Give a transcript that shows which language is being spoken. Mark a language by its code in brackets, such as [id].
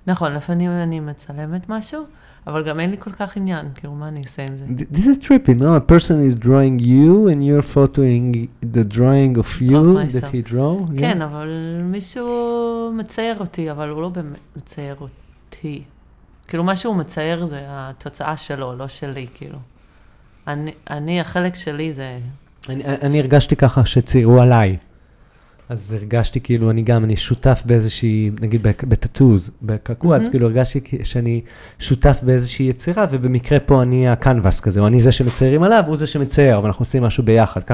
[he] נכון, לפעמים אני מצלמת משהו. אבל גם אין לי כל כך עניין, כאילו מה אני אעשה עם זה. [en] This is trippy, no? A person is drawing you and you're photoing the drawing of you that he draw. [he] כן, אבל מישהו מצייר אותי, אבל הוא לא באמת מצייר אותי. כאילו מה שהוא מצייר זה התוצאה שלו, לא שלי, כאילו. אני, החלק שלי זה... אני הרגשתי ככה שציירו עליי. אז הרגשתי כאילו אני גם, אני שותף באיזושהי, נגיד בטטוז, בקקוע, אז כאילו הרגשתי שאני שותף באיזושהי יצירה, ובמקרה פה אני הקנבס כזה, או אני זה שמציירים עליו, הוא זה שמצייר, ואנחנו עושים משהו ביחד.